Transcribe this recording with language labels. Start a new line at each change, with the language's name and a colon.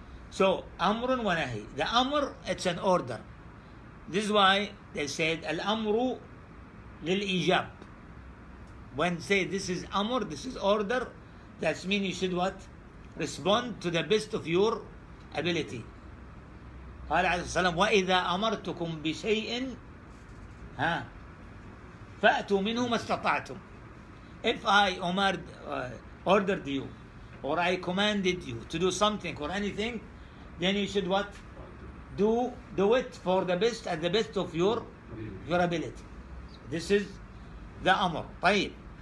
English: So
Arabic: amrun wa nahi.
English: The amr, it's an order. This is why they said
Arabic: al amru lil ijab.
English: When say this is amr, this is order, that means you should what respond to the best of your ability.
Arabic: قال عليه السلام وإذا أمرتكم بشيء ها فأتوا منه ما استطعتم.
English: If I ordered you or I commanded you to do something or anything, then you should what? Do it for the best at the best of your ability. This is the amr. طيب.